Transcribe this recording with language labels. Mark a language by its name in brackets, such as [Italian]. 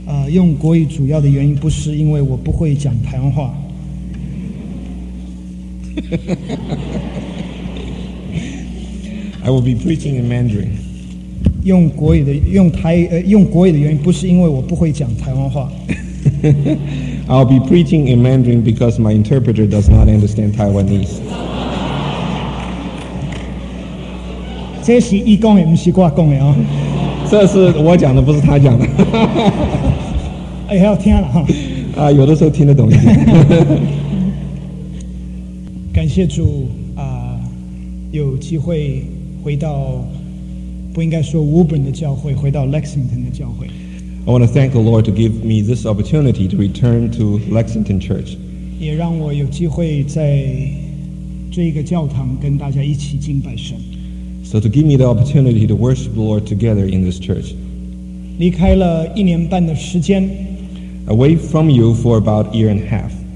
[Chinese] 用国语主要的原因不是因为我不会讲台湾话。 [English] I will be preaching in Mandarin. [Chinese] 用国语的原因不是因为我不会讲台湾话。 [English] I'll be preaching in Mandarin because my interpreter does not understand Taiwanese. [Chinese] 这是他说的，不是我说的哦。这是我讲的，不是他讲的。哎，要听了哈。啊，有的时候听得懂一点。感谢主啊，有机会回到，不应该说 Woburn 的教会，回到 Lexington 的教会。 [English] I want to thank the Lord to give me this opportunity to return to Lexington Church. [Chinese] 也让我有机会在这个教堂跟大家一起敬拜神。 [English] So to give me the opportunity to worship the Lord together in this church. [Chinese] 离开了一年半的时间。 [English] Away from you for about a year and a half.